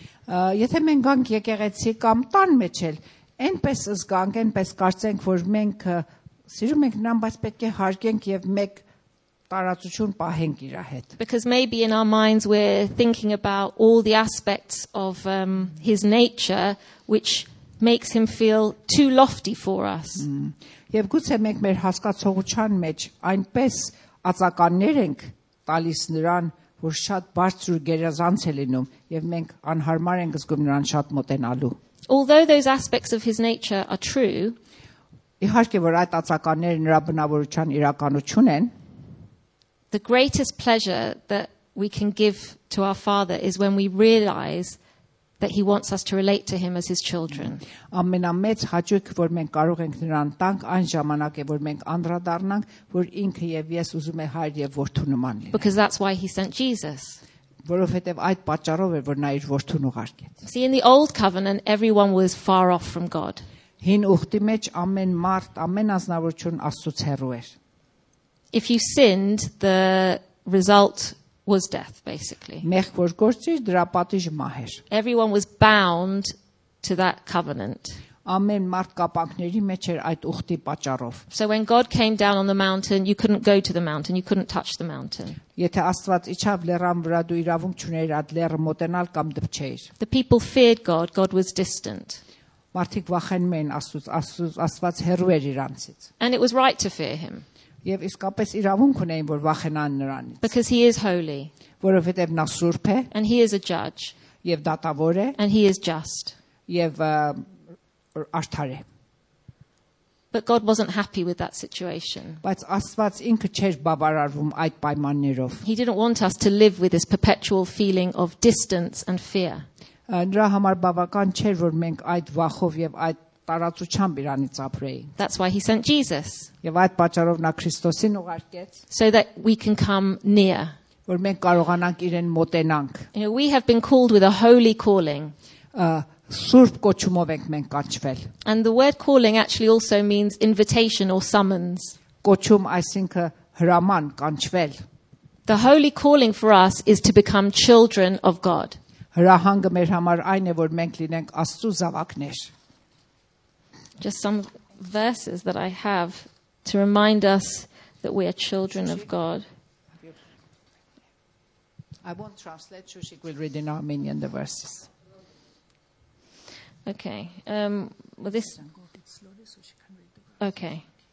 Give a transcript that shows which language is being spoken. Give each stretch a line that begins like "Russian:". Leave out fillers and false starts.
Armenian: եթե մենք կանք եկեղեցի կամ տան մեջ էլ, այնպես զգանք, այնպես կարծենք, որ մենք Սիրում ենք նրան, բայց պետք է հարգենք եւ մեկ տարածություն պահենք իր հետ։
English: Because maybe in our minds we're thinking about all the aspects of his nature which makes him feel too lofty for us։
Armenian: Եվ գուցե մենք մեր հասկացողության մեջ այնպես ածականներ ենք տալիս նրան, որ շատ բարձր գերազանց է լինում եւ մենք անհարմար ենք զգում նրան շատ մոտենալու։
English: Although those aspects of his nature are true,
Armenian: իհարկե որ այդ ածականները նրա բնավորության իրականություն են։
English: The greatest pleasure that we can give to our Father is when we realize that he wants us to relate to him as his children.
Armenian: Ամենամեծ հաճույքը որ մենք կարող ենք նրան տանք այն ժամանակ է որ մենք անդրադառնանք որ ինքը եւ ես ուզում եմ հայր եւ որդու նման լինել։
English: Because that's why he sent Jesus.
Armenian: Որովհետև այդ պատճառով է որ նա իր որդուն ուղարկեց։
English: See, in the old covenant everyone was far off from God.
Armenian: Հին ուխտի մեջ ամեն մարդ, ամեն ազնվություն Աստծո հեռու էր։
English: If you sinned, the result was death basically.
Armenian: Մեղք որ գործիր, դրա պատիժը մահ էր։
English: Everyone was bound to that covenant.
Armenian: Ամեն մարդ կապանքների մեջ էր այդ ուխտի պատճառով։
English: So when God came down on the mountain, you couldn't go to the mountain, you couldn't touch the mountain.
Armenian: Եթե Աստված իջավ լեռան վրա, դու իրավունք չունեիր այդ լեռը մոտենալ կամ դպչեիր։
English: The people feared God, God was distant.
Armenian: մարդիկ վախենում էին Աստծուց, Աստված հեռու էր իրանցից.
English: And it was right to fear him.
Armenian: Եվ իսկապես իրավունք ունեին, որ վախենան նրանից.
English: Because he is holy.
Armenian: Որովհետև նա սուրբ է.
English: And he is a judge.
Armenian: Եվ դատավոր է.
English: And he is just.
Armenian: Եվ արդար է.
English: But God wasn't happy with that situation.
Armenian: Բայց Աստված ինքը չէր բավարարվում այդ պայմաններով.
English: He didn't want us to live with this perpetual feeling of distance and fear.
Armenian: Նրա համար բավական չէր, որ մենք այդ վախով եւ այդ տարածությամբ իրանից ապրեին.
English: That's why he sent Jesus.
Armenian: Եվ այդ պատճառով նա Քրիստոսին ուղարկեց.
English: So that we can come near.
Armenian: Որ մենք կարողանանք իրեն մոտենանք.
English: We have been called with a holy calling.
Armenian: Սուրբ կոչումով ենք մենք կոչվել.
English: And the word calling actually also means invitation or summons.
Armenian: Կոչում այսինքն հրաման, կանչվել.
English: The holy calling for us is to become children of God.
Armenian: Հրահանգը մեր համար այն է, որ մենք լինենք Աստծո զավակներ.
English: Just some verses that I have to remind us that we are children of God. I won't translate, Shushik will read in Armenian the verses. Okay. Well, this. Okay.